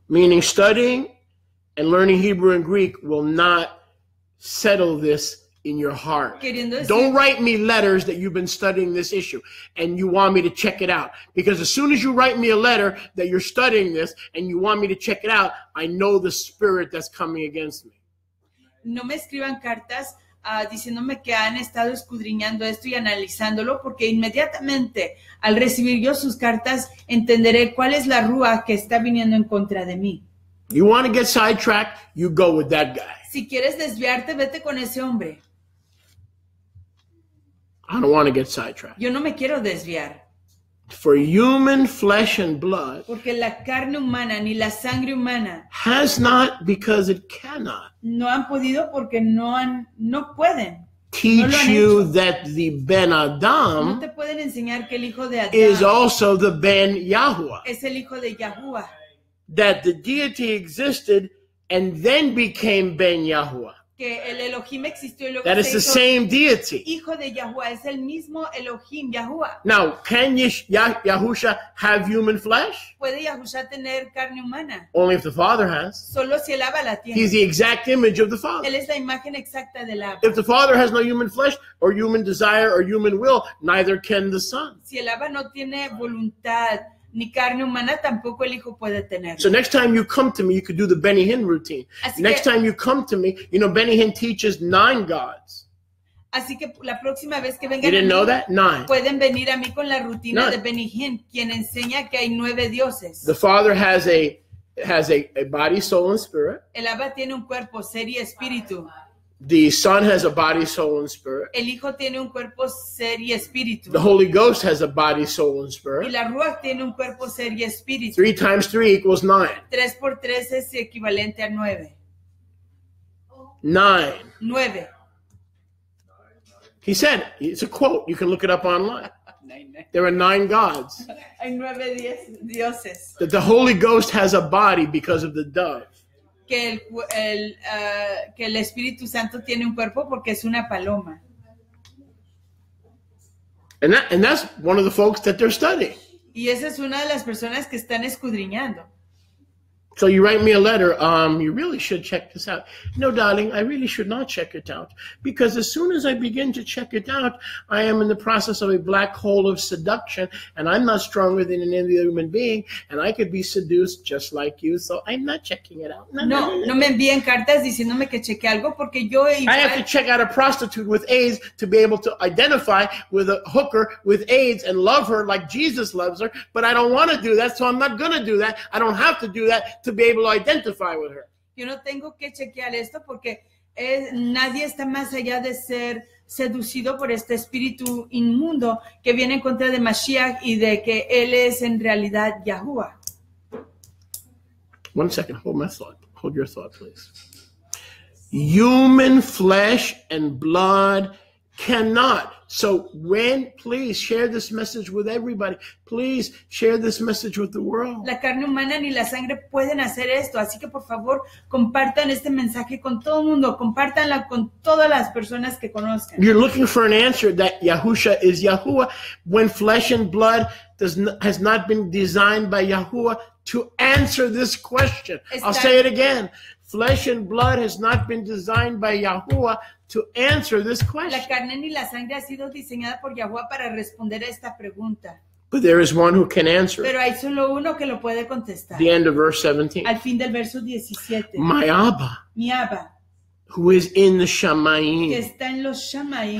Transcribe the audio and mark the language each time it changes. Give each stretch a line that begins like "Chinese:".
English: Meaning studying and learning Hebrew and Greek will not settle this in your heart. Don't write me letters that you've been studying this issue and you want me to check it out. Because as soon as you write me a letter that you're studying this and you want me to check it out, I know the spirit that's coming against me.
Spanish: No me escriban cartas diciéndome que han estado escudriñando esto y analizándolo, porque inmediatamente al recibir yo sus cartas entenderé cuál es la rúa que está viniendo en contra de mí.
English: You want to get sidetracked, you go with that guy.
Spanish: Si quieres desviarte, vete con ese hombre.
English: I don't want to get sidetracked.
Spanish: Yo no me quiero desviar.
English: For human flesh and blood,
Spanish: porque la carne humana ni la sangre humana
English: has not because it cannot.
Spanish: No han podido porque no pueden.
English: Teach
Spanish: no
English: you that the Ben Adam,
Spanish: no te pueden enseñar que el hijo de Adam
English: is also the Ben Yahuwah.
Spanish: Es el hijo de Yahuwah.
English: That the deity existed and then became Ben Yahuah.
Spanish: Que el Elohim existió, el
English: that is the same deity.
Spanish: Hijo de Yahuah, es el mismo Elohim, Yahuah.
English: Now, can Yahusha have human flesh?
Spanish: ¿Puede Yahusha tener carne humana?
English: Only if the Father has.
Spanish: Solo si el Abba la tiene.
English: He's the exact image of the Father.
Spanish: Él es la imagen exacta del Abba.
English: If the Father has no human flesh, or human desire, or human will, neither can the Son.
Spanish: Si el Abba no tiene voluntad, ni carne humana, tampoco el hijo puede tener.
English: So next time you come to me, you could do the Benny Hinn routine.
Spanish: Así
English: next
Spanish: que,
English: time you come to me, you know, Benny Hinn teaches 9 gods.
Spanish: Así que la próxima vez que vengan
English: you didn't
Spanish: a mí,
English: know that? 9.
Spanish: Pueden venir a mí con la rutina 9. De Benny Hinn, quien enseña que hay 9 dioses.
English: The Father has a body, soul, and spirit.
Spanish: El Abba tiene un cuerpo, ser y espíritu.
English: The Son has a body, soul, and spirit.
Spanish: El Hijo tiene un cuerpo, ser y espíritu.
English: The Holy Ghost has a body, soul, and spirit.
Spanish: Y la Ruach tiene un cuerpo, ser y espíritu.
English: 3 times 3 equals 9.
Spanish: 3 por 3 es equivalente a 9. 9.
English: He said, it's a quote, you can look it up online. There are 9 gods.
Spanish: Hay 9 dioses.
English: That the Holy Ghost has a body because of the dove.
Spanish: Que el Espíritu Santo tiene un cuerpo porque es una paloma.
English: And that's one of the folks that they're studying.
Spanish: Y esa es una de las personas que están escudriñando.
English: So you write me a letter, you really should check this out. No, darling, I really should not check it out. Because as soon as I begin to check it out, I am in the process of a black hole of seduction, and I'm not stronger than any other human being, and I could be seduced just like you, so I'm not checking it out.
Spanish: No, me envíen cartas diciéndome que cheque algo, porque yo...
English: I have to check out a prostitute with AIDS to be able to identify with a hooker with AIDS and love her like Jesus loves her, but I don't want to do that, so I'm not going to do that. I don't have to do that. To be able to identify with her.
Spanish: Yo no tengo que chequear esto porque nadie está más allá de ser seducido por este espíritu inmundo que viene en contra de Mashiach y de que él es en realidad Yahuah.
English: One second, hold my thought. Hold your thought, please. Human flesh and blood cannot. So when, please share this message with everybody. Please share this message with the world.
Spanish: La carne humana ni la sangre pueden hacer esto. Así que por favor, compartan este mensaje con todo el mundo. Compartanla con todas las personas que conozcan.
English: You're looking for an answer that Yahusha is Yahuwah when flesh and blood has not been designed by Yahuwah to answer this question. I'll say it again. Flesh and blood has not been designed by Yahuwah to answer this question.
Spanish: La carne ni la sangre ha sido diseñada por Yahuwah para responder a esta pregunta.
English: But there is one who can answer.
Spanish: Pero hay solo uno que lo puede contestar.
English: The end of verse 17.
Spanish: Al fin del verso 17.
English: My Abba.
Spanish: Mi Abba.
English: Who is in the Shamayim.
Spanish: Que está en los Shamayim.